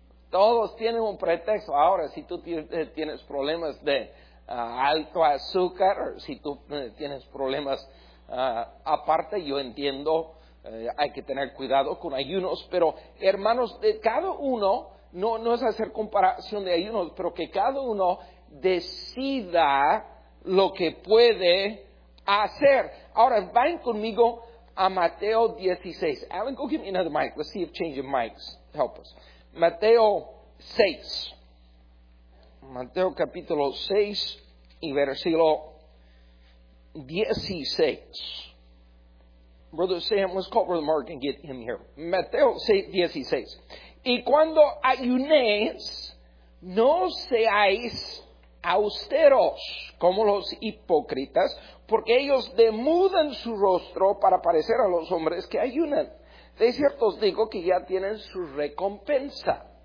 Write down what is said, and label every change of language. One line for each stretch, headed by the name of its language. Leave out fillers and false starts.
Spanish: Todos tienen un pretexto. Ahora, si tú tienes problemas de alto azúcar, o si tú tienes problemas aparte, yo entiendo, hay que tener cuidado con ayunos, pero hermanos, cada uno, no es hacer comparación de ayunos, pero que cada uno decida lo que puede hacer. Ahora, vayan conmigo a Mateo 16.
English: Alan, go give me another mic. Let's see if changing mics help us.
Spanish: Mateo 6. Mateo capítulo 6 y versículo 16.
English: Brother Sam, let's call Brother Mark and get him here.
Spanish: Mateo 6, 16. Y cuando ayunéis, no seáis austeros como los hipócritas, porque ellos demudan su rostro para parecer a los hombres que ayunan. De cierto os digo que ya tienen su recompensa.